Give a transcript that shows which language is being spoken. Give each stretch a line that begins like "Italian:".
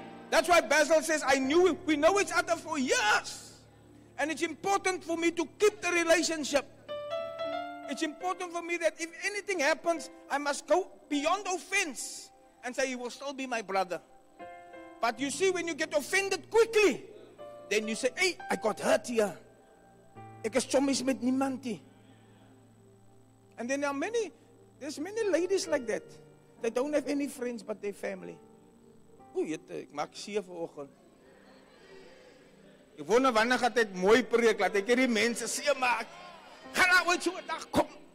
English: That's why Basil says, we know each other for years. And it's important for me to keep the relationship. It's important for me that if anything happens, I must go beyond offense and say, he will still be my brother. But you see, when you get offended quickly, then you say, hey, I got hurt here.
Afrikaans: Ek is chommies met niemand nie.
English: And then there's many ladies like that. They don't have any friends but their family.
Afrikaans: Oeh, jette, ek maak seer vanoggend. Ek wonder wanneer gaat dit mooi preek, laat ek hierdie mense seer maak. Gaan nou ooit so'n dag, kom.